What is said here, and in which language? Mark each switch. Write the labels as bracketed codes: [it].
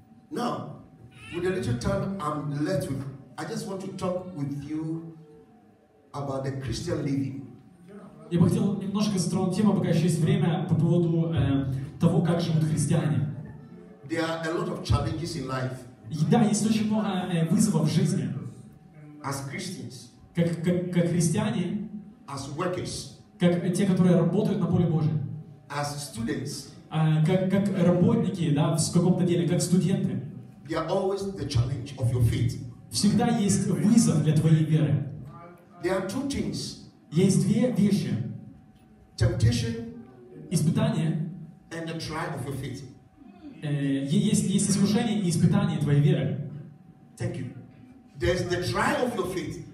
[en] Now, with a little time I'm left with, I just want to talk with you about the Christian living. [ru] Я бы хотел немножко затронуть тему, пока еще есть время, по поводу того, как живут христиане. [en] There are a lot of challenges in life. [ru] Да, есть очень много вызовов в жизни. [en] As Christians, [ru] как христиане, [en] as workers, [ru] как те, которые работают на поле Божьем, [en] as students, [ru] как работники, да, в каком-то деле, как студенты. [en] There are always the challenge of your faith. [ru] Всегда есть вызов для твоей веры. [en] There are two things. [ru] Есть две вещи. [en] Temptation, [ru] испытание, [en] and the trial of your faith. [ru] Есть искушение и испытание твоей веры. [en] Thank you. There's the trial of your faith.